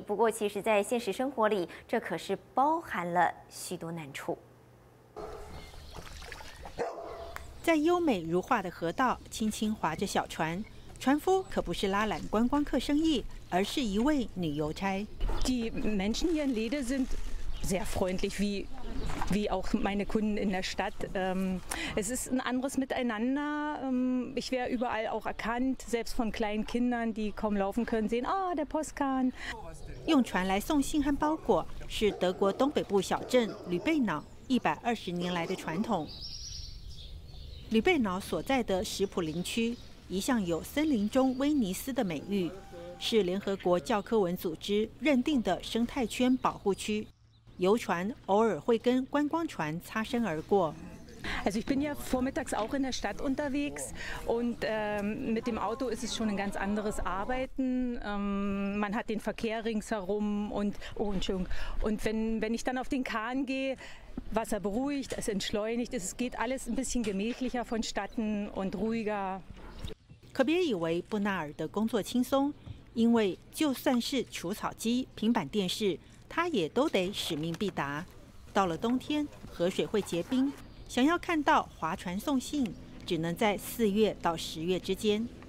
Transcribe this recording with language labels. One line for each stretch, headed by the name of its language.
Chinese: 不过其实在现实生活里，这可是包含了许多难处。在优美如画的河道轻轻划着小船，船夫可不是拉揽观光客生意，而是一位女邮差。
German: Die Menschen hier in Lede sind sehr freundlich, wie auch meine Kunden in der Stadt. Es ist ein anderes Miteinander. Ich werde überall auch erkannt, selbst von kleinen Kindern, die kaum laufen können, sehen, ah, der Postkahn.
Chinese: 用船来送信和包裹，是德国东北部小镇吕贝瑙120年来的传统。吕贝瑙所在的石普林区，一向有森林中威尼斯的美誉。是联合国教科文组织认定的生态圈保护区，游船偶尔会跟观光船擦身而过。
German: Also ich bin ja vormittags auch in der Stadt unterwegs und mit dem Auto ist es schon ein ganz anderes Arbeiten. Man hat den Verkehr ringsherum und wenn ich dann auf den Kahn gehe, Wasser beruhigt, es entschleunigt, es geht alles ein bisschen gemächlicher vonstatten und ruhiger.
Chinese: 可别以为布纳尔的工作轻松。因为就算是除草机、平板电视，它也都得使命必达。到了冬天，河水会结冰，想要看到划船送信，只能在4月到10月之间。